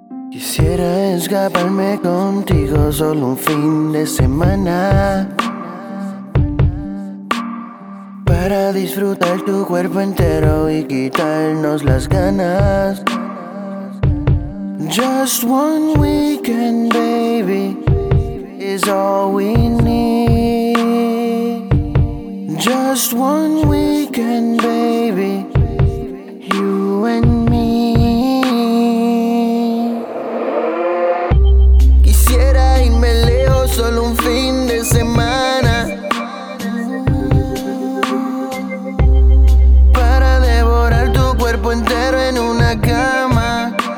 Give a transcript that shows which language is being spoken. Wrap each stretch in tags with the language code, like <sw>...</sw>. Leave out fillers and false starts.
<es>Quisiera escaparme contigo solo un fin de semana para disfrutar tu cuerpo entero y quitarnos las ganas.</es> <en>Just one weekend, baby, is all we need. Just one weekend, baby, you and me.</en> <es>Quisiera irme lejos solo un fin de semana para devorar tu cuerpo entero en una cama.</es>